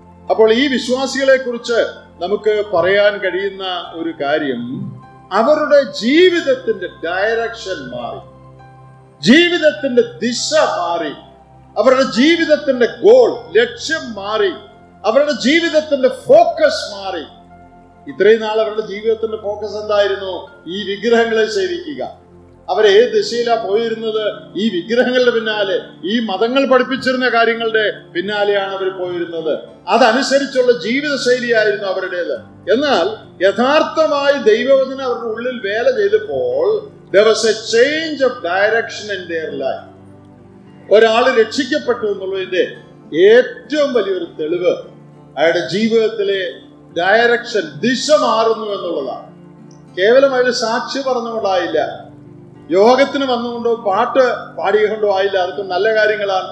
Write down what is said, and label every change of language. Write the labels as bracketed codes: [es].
[ml] അപ്പോൾ ഈ വിശ്വാസികളെ കുറിച്ച് നമുക്ക് പറയാൻ കഴിയുന്ന ഒരു കാര്യം, അവരുടെ ജീവിതത്തിന്റെ ഡയറക്ഷൻ മാറി, ജീവിതത്തിന്റെ ദിശ മാറി, അവരുടെ ജീവിതത്തിന്റെ ഗോൾ, ലക്ഷ്യം മാറി, അവരുടെ ജീവിതത്തിന്റെ ഫോക്കസ് മാറി. ഇത്രയും നാൾ അവരുടെ ജീവിതത്തിന്റെ ഫോക്കസ് എന്തായിരുന്നു? ഈ വിഗ്രഹങ്ങളെ സേവിക്കുക. അവരേത് ദിശയിലാണ് പോയിരുന്നത്? ഈ വിഗ്രഹങ്ങളുടെ പിന്നാലെ, ഈ മതങ്ങൾ പഠിപ്പിച്ചിരുന്ന കാര്യങ്ങളുടെ പിന്നാലെയാണ് അവർ പോയിരുന്നത്. അതനുസരിച്ചുള്ള ജീവിതശൈലിയായിരുന്നു അവരുടേത്. എന്നാൽ യഥാർത്ഥമായി ദൈവവചനം അവരുടെ ഉള്ളിൽ വേല ചെയ്തപ്പോൾ [en] there was a change of direction in their life. [ml] ഒരാൾ രക്ഷിക്കപ്പെട്ടു എന്നുള്ളതിന്റെ ഏറ്റവും വലിയൊരു തെളിവ് അയാളുടെ ജീവിതത്തിലെ ഡയറക്ഷൻ, ദിശ മാറുന്നു എന്നുള്ളതാണ്. കേവലം അതിൽ സാക്ഷി പറഞ്ഞുകൊണ്ടായില്ല, യോഗത്തിന് വന്നുകൊണ്ടോ പാട്ട് പാടിയുകൊണ്ടോ ആയില്ല, അതൊക്കെ നല്ല കാര്യങ്ങളാണ്.